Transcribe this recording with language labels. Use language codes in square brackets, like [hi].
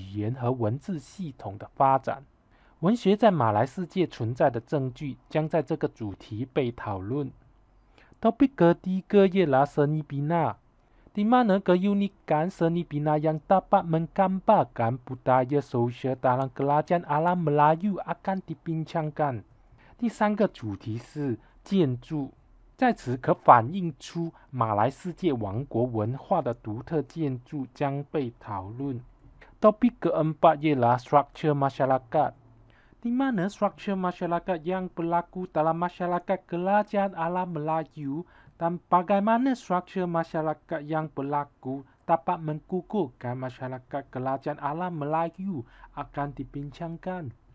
[zh] 文学得以产生是基于马来世界王国语言和文字系统的发展。文学在马来世界存在的证据将在这个主题被讨论. [ms] Topik ketiga ialah seni bina, di mana keunikan seni bina yang dapat menggambarkan budaya sosial dalam kerajaan alam Melayu akan dibincangkan. [zh] 第三个主题是建筑, 在此可反映出马来世界王国文化的独特建筑将被讨论. [ms] Topik keempat ialah structure masyarakat, di mana struktur masyarakat yang berlaku dalam masyarakat kerajaan alam Melayu dan bagaimana struktur masyarakat yang berlaku dapat mengukuhkan masyarakat kerajaan alam Melayu akan dibincangkan.